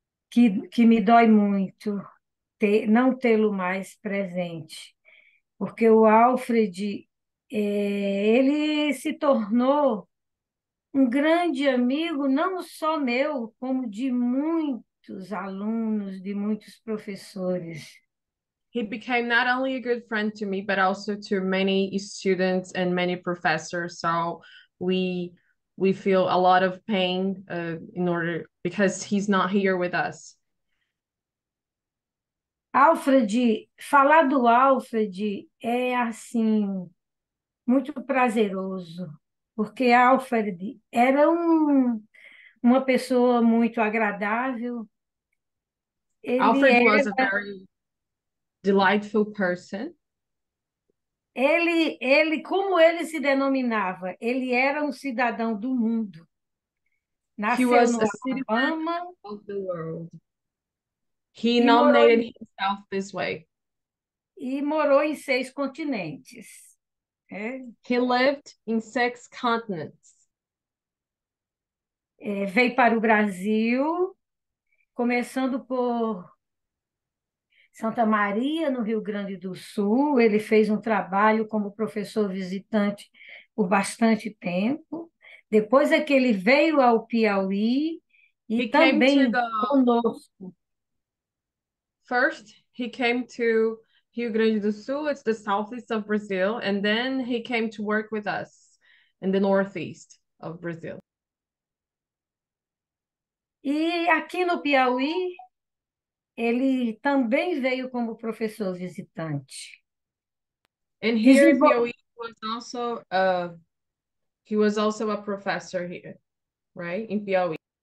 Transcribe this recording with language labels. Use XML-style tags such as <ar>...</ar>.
<pt>Que me dói muito ter, não tê-lo mais presente. Porque o Alfred, ele se tornou um grande amigo, não só meu, como de muitos alunos, de muitos professores.</pt> <en>He became not only a good friend to me, but also to many students and many professors. So we feel a lot of pain in order because he's not here with us.</en> <pt>Alfred, falar do Alfred é assim muito prazeroso, porque Alfred era uma pessoa muito agradável. Ele Alfred era...</pt> <en>was a very delightful person.</en> <pt>Ele, como ele se denominava? Ele era um cidadão do mundo. Nasceu no Alabama.</pt> <en>He was a citizen of the world. He nominated himself this way.</en> <pt>E morou em 6 continentes. É?</pt> <en>He lived in 6 continents.</en> <pt>É, veio para o Brasil, começando por Santa Maria, no Rio Grande do Sul. Ele fez um trabalho como professor visitante por bastante tempo. Depois é que ele veio ao Piauí e he também conosco.</pt> <en>First, he came to Rio Grande do Sul, it's the southeast of Brazil, and then he came to work with us in the northeast of Brazil.</en> <pt>E aqui no Piauí, ele também veio como professor visitante.</pt> <en>And here in Piauí, he was also a professor here, right? In Piauí.</en>